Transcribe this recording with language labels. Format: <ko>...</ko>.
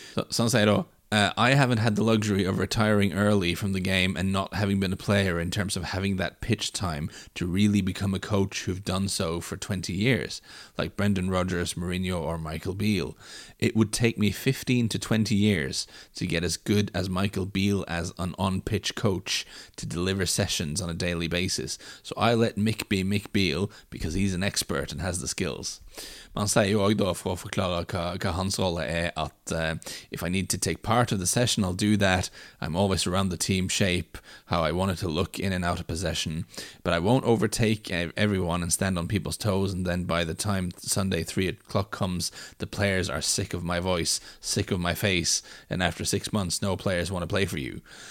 <no>Så han sier da,</no> <en>I haven't had the luxury of retiring early from the game and not having been a player in terms of having that pitch time to really become a coach who've done so for 20 years, like Brendan Rodgers, Mourinho, or Michael Beale. It would take me 15 to 20 years to get as good as Michael Beale as an on-pitch coach to deliver sessions on a daily basis. So I let Mick be Mick Beale because he's an expert and has the skills.</en> <sv>Man säger ju också då för att förklara vad hans roll är att</sv> <en>if I need to take part of the session I'll do that. I'm always around the team shape, how I want it to look in and out of possession. But I won't overtake everyone and stand on people's toes and then by the time Sunday 3 o'clock comes the players are sick of my voice, sick of my face and after 6 months no players want to play for you.</en>